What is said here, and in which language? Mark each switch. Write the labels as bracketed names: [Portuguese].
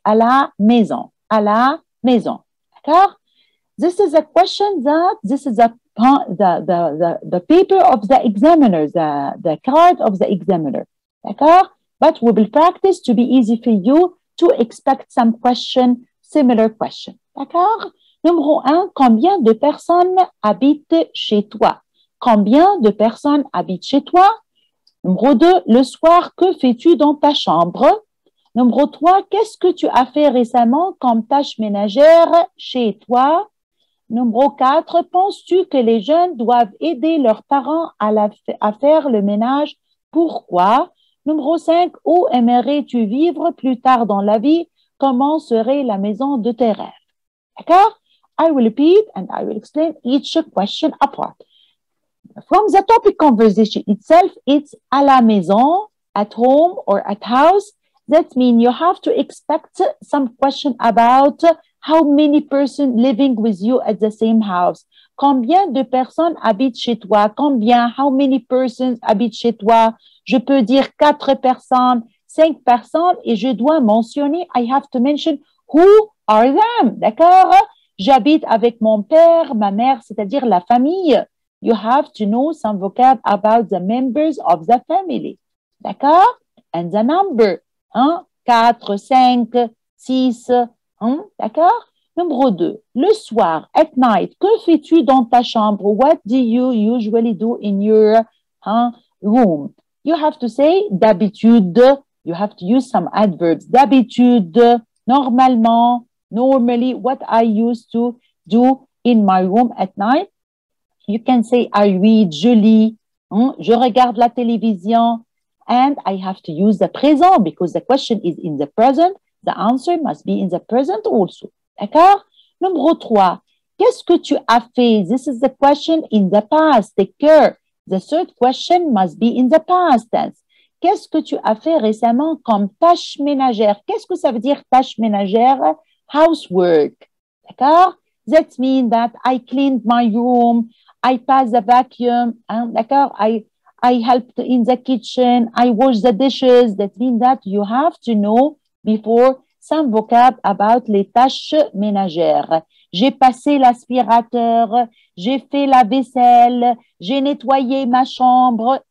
[French] À la maison. À la maison. [English] This is a question that this is the paper of the examiner, the card of the examiner. D'accord? But we will practice to be easy for you to expect some question, similar question. [French] D'accord? Numéro un, combien de personnes habitent chez toi? Combien de personnes habitent chez toi? Numéro deux, le soir, que fais-tu dans ta chambre? Numéro 3, qu'est-ce que tu as fait récemment comme tâche ménagère chez toi? Numéro 4, penses-tu que les jeunes doivent aider leurs parents à faire le ménage? Pourquoi? Numéro 5, où aimerais-tu vivre plus tard dans la vie? Comment serait la maison de tes rêves? D'accord? [English] I will repeat and I will explain each question apart. From the topic conversation itself, it's [French] à la maison, [English] at home or at house. That means you have to expect some question about how many person living with you at the same house. [French] Combien de personnes habitent chez toi? Combien? [English] How many persons [French] habitent chez toi? Je peux dire 4 personnes, 5 personnes et je dois mentionner, [English] I have to mention who are them. [French] D'accord? J'habite avec mon père, ma mère, c'est-à-dire la famille. [English] You have to know some vocab about the members of the family. D'accord? And the number. 4, 5, 6, d'accord? [French] Numéro 2, le soir, [English] at night, [French] que fais-tu dans ta chambre? [English] What do you usually do in your room? You have to say d'habitude, you have to use some adverbs. [French] D'habitude, normalement, [English] normally, what I used to do in my room at night. You can say I read, [French] je lis, je regarde la télévision. [English] And I have to use the present because the question is in the present. The answer must be in the present also. [French] D'accord? Numéro 3. Qu'est-ce que tu as fait? [English] This is the question in the past. Take care. The third question must be in the past tense. [French] Qu'est-ce que tu as fait récemment comme tâche ménagère? Qu'est-ce que ça veut dire tâche ménagère? [English] Housework. D'accord? That means that I cleaned my room. I passed the vacuum. D'accord? I helped in the kitchen, I washed the dishes. That means that you have to know before some vocab about [French] les tâches ménagères. J'ai passé l'aspirateur, j'ai fait la vaisselle, j'ai nettoyé ma chambre.